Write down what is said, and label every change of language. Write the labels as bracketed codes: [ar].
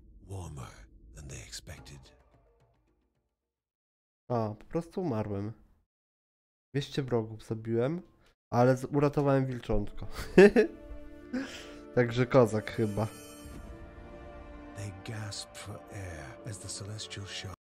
[en] Warmer than they expected. [pl] A, po prostu umarłem. 200 wrogów zabiłem, ale uratowałem wilczątko. Także kozak chyba. [en] They gasp for air as the celestial shock.